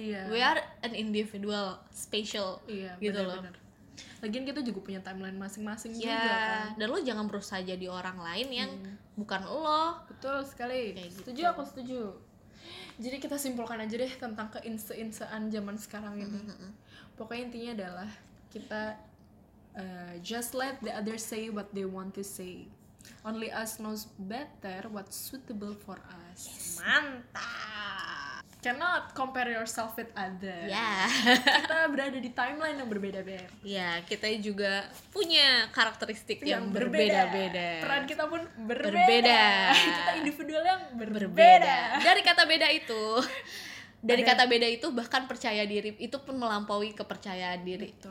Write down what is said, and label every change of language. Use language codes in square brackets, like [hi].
[en] We are an individual, special. [id] Gitu loh. Lagian kita juga punya timeline masing-masing juga kan. Dan lo jangan berusaha jadi orang lain yang bukan lo. Betul sekali. Setuju, aku setuju. Jadi kita simpulkan aja deh tentang keinse-insean zaman sekarang ini. Pokoknya intinya adalah kita [en] just let the others say what they want to say. Only us knows better what's suitable for us. [id] Mantap. [en] Cannot compare yourself with others. [id] Kita berada di timeline yang berbeda-beda. Kita juga punya karakteristik yang berbeda-beda. Peran kita pun berbeda. Kita individual yang berbeda. Dari kata beda itu, dari kata beda itu bahkan percaya diri itu pun melampaui kepercayaan diri.